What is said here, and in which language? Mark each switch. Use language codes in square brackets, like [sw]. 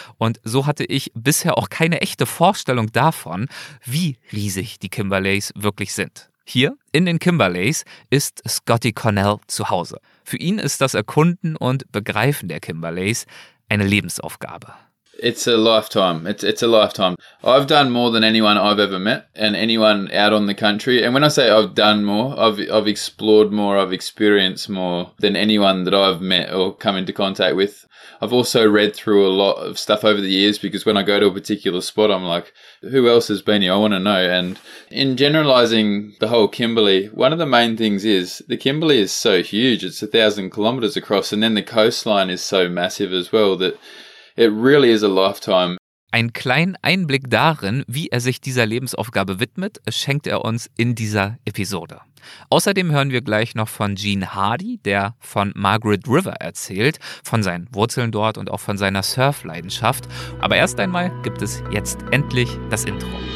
[de] Und so hatte ich bisher auch keine echte Vorstellung davon, wie riesig die Kimberleys wirklich sind. Hier in den Kimberleys ist Scotty Connell zu Hause. Für ihn ist das Erkunden und Begreifen der Kimberleys eine Lebensaufgabe. [en] It's a lifetime. It's a lifetime. I've done more than anyone I've ever met and anyone out on the country. And when I say I've done more, I've explored more, I've experienced more than anyone that I've met or come into contact with. I've also read through a lot of stuff over the years because when I go to a particular spot, I'm like, who else has been here? I want to know. And in generalizing the whole Kimberley, one of the main things is the Kimberley is so huge. It's 1,000 kilometers across. And then the coastline is so massive as well that it really is a lifetime. [de] Ein kleinen Einblick darin, wie er sich dieser Lebensaufgabe widmet, schenkt er uns in dieser Episode. Außerdem hören wir gleich noch von Gene Hardy, der von Margaret River erzählt, von seinen Wurzeln dort und auch von seiner Surfleidenschaft. Aber erst einmal gibt es jetzt endlich das Intro.